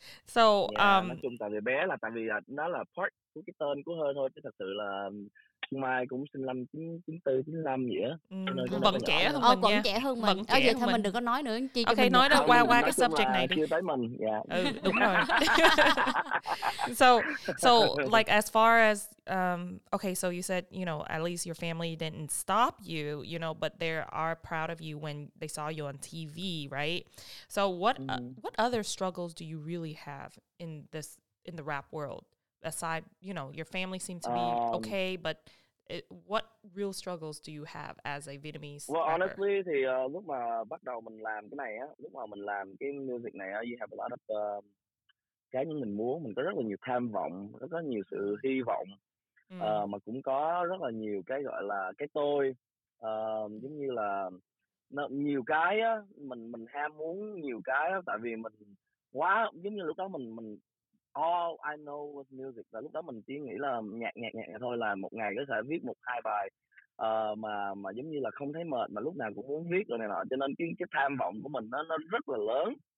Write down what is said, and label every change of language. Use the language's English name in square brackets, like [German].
[Vietnamese] So nói chung tại vì bé là tại vì nó là part của cái tên của hơn thôi, chứ thật sự là Xuân Mai cũng sinh năm 94-95 vậy á. Vẫn trẻ hơn mình nha. Vẫn trẻ hơn mình. Ờ vậy thôi mình đừng có nói nữa chị. Ok, nói đó qua cái subject này đi. Chưa tới mình. Dạ. Ừ, đúng rồi. [English] So like as far as okay, so you said, you know, at least your family didn't stop you, you know, but they are proud of you when they saw you on TV, right? So what other struggles do you really have in the rap world aside, you know, your family seems to be okay, but what real struggles do you have as a Vietnamese rapper? Well, [Vietnamese] honestly, thì lúc mà bắt đầu mình làm cái này á, lúc mà mình làm cái music này á, [English] you have a lot of [Vietnamese] cái như mình muốn, mình có rất là nhiều tham vọng, rất là nhiều sự hy vọng. Mà cũng có rất là nhiều cái gọi là cái tôi giống như là nhiều cái á, mình ham muốn nhiều cái á, tại vì mình quá giống như lúc đó mình [English] all I know was music, [Vietnamese] và lúc đó mình chỉ nghĩ là nhạc thôi, là một ngày có thể viết một hai bài mà giống như là không thấy mệt, mà lúc nào cũng muốn viết rồi này nọ, cho nên cái tham vọng của mình nó rất là lớn.